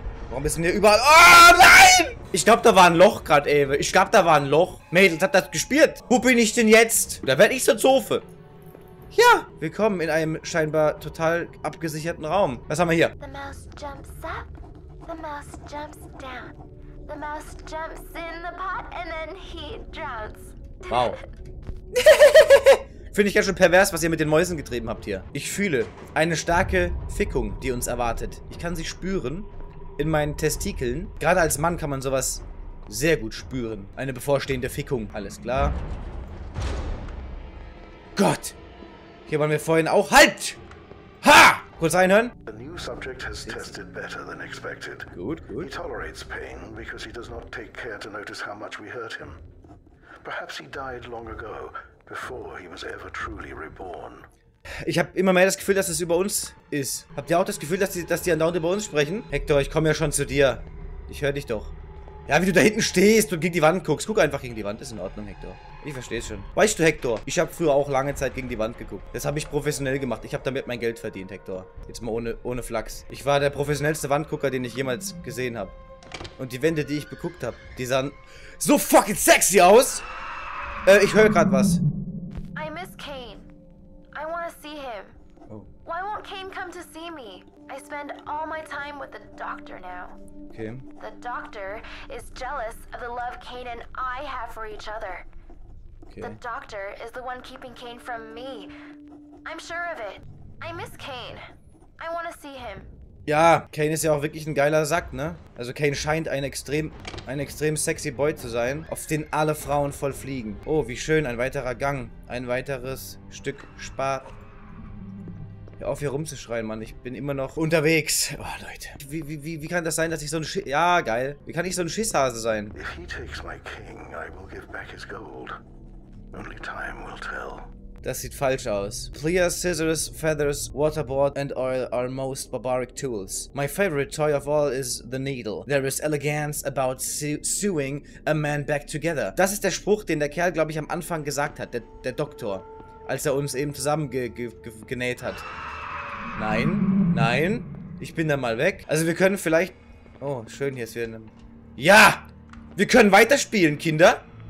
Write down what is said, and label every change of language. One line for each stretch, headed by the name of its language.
German: Warum ist denn hier überall... Oh nein! Ich glaube, da war ein Loch gerade, Ewe. Ich glaube, da war ein Loch. Mädels, hat das gespielt? Wo bin ich denn jetzt? Da werde ich zur Zofe. Ja, willkommen in einem scheinbar total abgesicherten Raum. Was haben wir hier?
English: The mouse jumps down. The mouse jumps in the pot and then he drowns. Wow.
German: Finde ich ganz schön pervers, was ihr mit den Mäusen getrieben habt hier. Ich fühle eine starke Fickung, die uns erwartet. Ich kann sie spüren in meinen Testikeln. Gerade als Mann kann man sowas sehr gut spüren. Eine bevorstehende Fickung. Alles klar. Gott. Hier waren wir vorhin auch. Halt! Ha! Kurz einhören.
English: The new subject has tested better than expected.
German: Gut, gut.
English: He tolerates pain because he does not take care to notice how much we hurt him. Perhaps he died long ago, before he was ever truly reborn.
German: Ich habe immer mehr das Gefühl, dass es über uns ist. Habt ihr auch das Gefühl, dass die andauernd über uns sprechen? Hector, ich komme ja schon zu dir. Ich höre dich doch. Ja, wie du da hinten stehst und gegen die Wand guckst. Guck einfach gegen die Wand. Ist in Ordnung, Hector. Ich verstehe es schon. Weißt du, Hector, ich habe früher auch lange Zeit gegen die Wand geguckt. Das habe ich professionell gemacht. Ich habe damit mein Geld verdient, Hector. Jetzt mal ohne Flachs. Ich war der professionellste Wandgucker, den ich jemals gesehen habe. Und die Wände, die ich beguckt habe, die sahen so fucking sexy aus. Ich höre gerade was.
English: I miss Kane. I wanna see him. Oh. Why won't Kane come to see me? I spend all my time with the doctor now. Okay. The doctor is jealous of the love Kane and I have for each other. Okay. The doctor is the one keeping Kane from me. I'm sure of it. I miss Kane. I want to see him.
German: Ja, Kane ist ja auch wirklich ein geiler Sack, ne? Also Kane scheint ein extrem sexy Boy zu sein, auf den alle Frauen voll fliegen. Oh, wie schön, ein weiterer Gang. Ein weiteres Stück Spa. Hör auf, hier rumzuschreien, Mann. Ich bin immer noch unterwegs. Oh, Leute. Wie kann das sein, dass ich so ein Ja, geil. Wie kann ich so ein Schisshase sein?
English: If he takes my king, I will give back his gold. Only time will tell.
German: Das sieht falsch aus.
English: Clear scissors, feathers, waterboard and oil are most barbaric tools. My favorite toy of all is the needle. There is elegance about sewing a man back together.
German: Das ist der Spruch, den der Kerl, glaube ich, am Anfang gesagt hat, der Doktor, als er uns eben zusammen genäht hat. Nein, nein, ich bin da mal weg. Also wir können vielleicht... Oh, schön, hier ist wieder eine... Ja, wir können weiterspielen, Kinder.